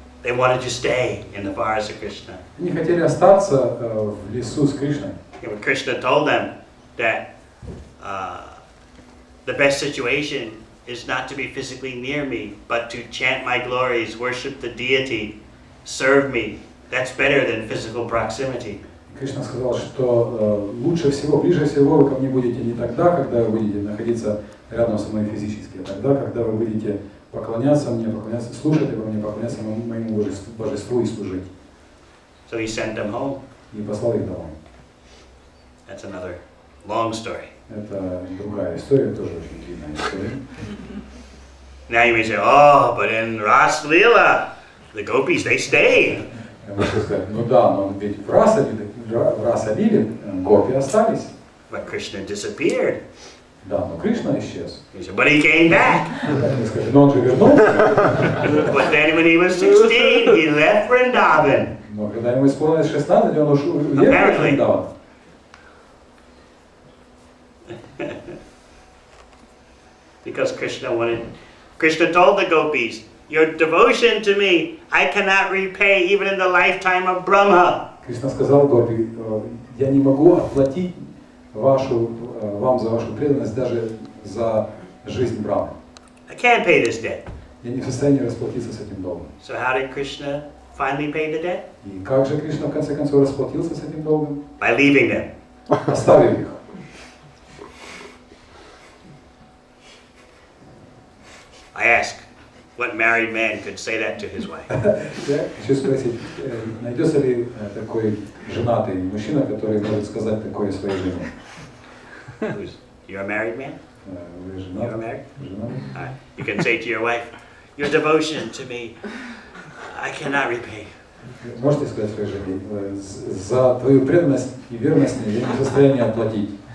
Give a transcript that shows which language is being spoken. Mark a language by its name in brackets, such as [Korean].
[English] They wanted to stay in the forest of Krishna. [Russian] Они хотели остаться в лесу с Кришной. [English] But Krishna told them that the best situation is not to be physically near me, but to chant my glories, worship the deity, serve me. That's better than physical proximity. [Russian] Кришна сказал, что лучше всего, ближе всего вы ко мне будете не тогда, когда вы будете находиться рядом со мной физически, а тогда, когда вы будете поклоняться мне, поклоняться, слушать обо мне, поклоняться моему божеству, божеству и служить. [English] So he sent them home. [Russian] И послал их домой. [English] That's another long story. [Russian] Это другая история, тоже очень длинная история. [English] Now you may say, oh, but in Ras Lila, the gopis, they stay. [Russian] Ну да, но ведь в Раса-лиле гопи остались. [English] But Krishna disappeared. [Russian] Да, но Кришна исчез. [English] He said, but he came back. [Russian] Сказали, но он же вернулся. [English] But then when he was 16, he left Vrindavan. [Russian] Но когда ему исполнилось 16, он уехал в Вриндаван. [English] Because Krishna told the gopis, your devotion to me, I cannot repay even in the lifetime of Brahma. [Russian] Кришна сказал гопи, я не могу отплатить вам за вашу преданность даже за жизнь Брахмы. [English] I can't pay this debt. [Russian] Я не в состоянии расплатиться с этим долгом. [English] So how did Krishna finally pay the debt? [Russian] И как же Кришна в конце концов расплатился с этим долгом? [English] By leaving them. [Russian] Оставив их. [English] I ask, what married man could say that to his wife? [Russian] Хочу спросить, найдется ли такой женатый мужчина, который может сказать такое своей жене? [English] Who's, you're a married man? You're married? You can say to your wife, your devotion to me, I cannot repay. [Russian] Можете сказать своей жене, за твою преданность и верность мне я не в состоянии оплатить.